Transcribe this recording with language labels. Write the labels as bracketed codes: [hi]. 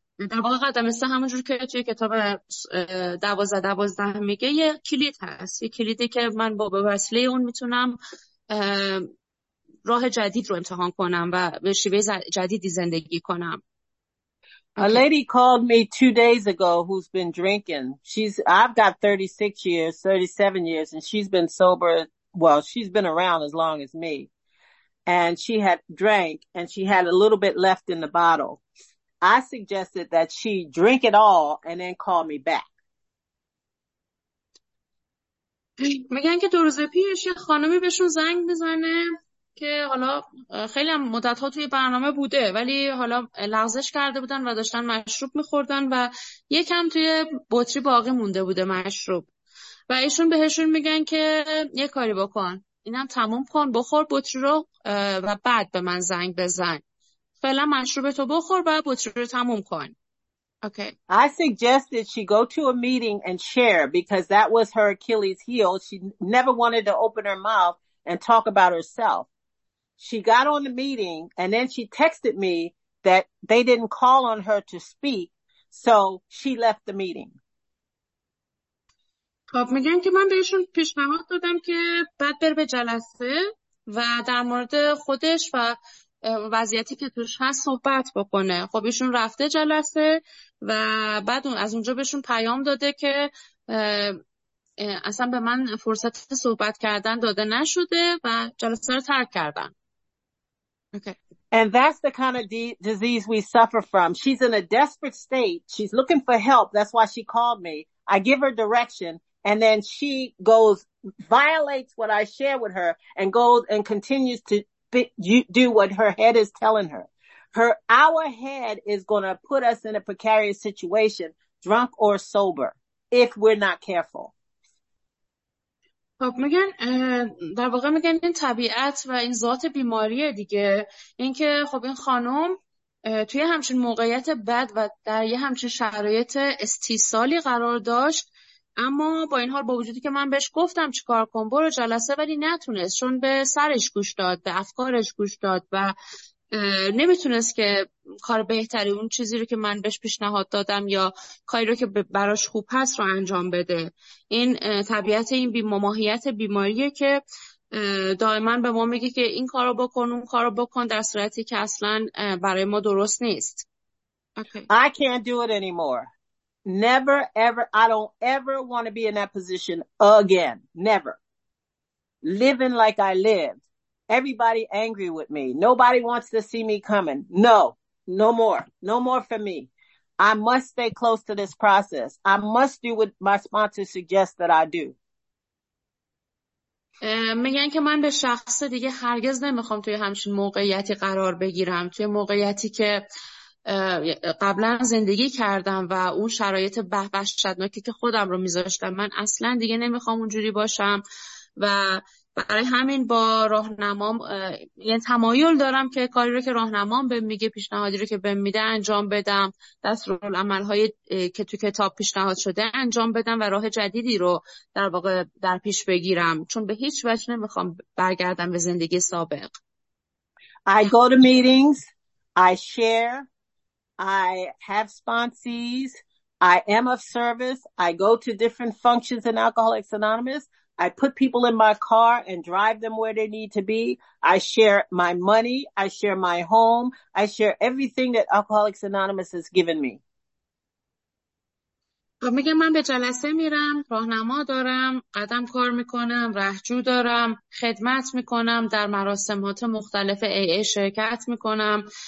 [fa] در واقع قدم سه همونجور که توی کتاب 12-12 میگه یه کلید هست، یه کلیدی که من با وسیله اون میتونم راه جدید رو امتحان کنم و به شیوه جدیدی زندگی کنم. [en] A lady called me 2 days ago who's been drinking. I've got 36 years, 37 years, and she's been sober. Well, she's been around as long as me. And she had drank and she had a little bit left in the bottle. I suggested that she drink it all and then call me back. [fa] میگن که 2 روز پیش یه خانمی بهشون زنگ میزنه که حالا خیلی هم مدت ها توی برنامه بوده ولی حالا لغزش کرده بودن و داشتن مشروب میخوردن و یکم توی بطری باقی مونده بوده مشروب و ایشون بهشون میگن که یه کاری بکن، اینم تموم کن، بخور بطری رو و بعد به من زنگ بزن، فعلا مشروب تو بخور و بطری رو تموم کن. [en] Okay. I suggested she go to a meeting and share because that was her Achilles heel. She never wanted to open her mouth and talk about herself. She got on the meeting and then she texted me that they didn't call on her to speak, so she left the meeting. [fa] خب میگن که من بهشون پیشنهاد دادم که بعد بره به جلسه و در مورد خودش و وضعیتی که توش هست صحبت بکنه. خب ایشون رفته جلسه و بعد از اونجا بهشون پیام داده که اصلا به من فرصت صحبت کردن داده نشده و جلسه رو ترک کردن. [en] Okay. And that's the kind of disease we suffer from. She's in a desperate state. She's looking for help. That's why she called me. I give her direction and then she goes, violates what I share with her and goes and continues to do what her head is telling her. Our head is going to put us in a precarious situation, drunk or sober, if we're not careful. [fa] خب میگن در واقع میگن این طبیعت و این ذات بیماریه دیگه، این که خب این خانم توی همچین موقعیت بد و در یه همچین شرایط استیصالی قرار داشت، اما با این حال با وجودی که من بهش گفتم چیکار کن برو جلسه ولی نتونست، چون به سرش گوش داد، به افکارش گوش داد و نمیتونست که کار بهتری اون چیزی رو که من بهش پیشنهاد دادم یا کاری رو که براش خوب هست رو انجام بده. این طبیعت این بیماهیت بیماریه که دائما به ما میگه که این کار رو بکن اون کار رو بکن، در صورتی که اصلا برای ما درست نیست. [en] I can't do it anymore. Never, ever. I don't ever want to be in that position again. Never. Living like I lived. Everybody angry with me. Nobody wants to see me coming. No, no more. No more for me. I must stay close to this process. I must do what my sponsor suggests that I do. [fa] میگن که من به شخص دیگه هرگز نمیخوام توی همچین موقعیتی قرار بگیرم، توی موقعیتی که قبلا زندگی کردم و اون شرایط وحشتناکی که خودم رو میذاشتم. من اصلا دیگه نمیخوام اونجوری باشم و برای همین با راهنمام یعنی تمایل دارم که کاری رو که راهنمام بهم میگه، پیشنهادی رو که بهم میده انجام بدم، دستورالعمل‌های که تو کتاب پیشنهاد شده انجام بدم و راه جدیدی رو در واقع در پیش بگیرم، چون به هیچ وجه نمیخوام برگردم به زندگی سابق. [en] I go to meetings, I share, I have sponsees, I am of service, I go to different functions in Alcoholics Anonymous. I put people in my car and drive them where they need to be. I share my money. I share my home. I share everything that Alcoholics Anonymous has given me. [fa] میگه من به جلسه میرم، راهنما دارم، قدم کار میکنم، رهجو دارم، خدمت میکنم، در مراسمات مختلف AA شرکت میکنم.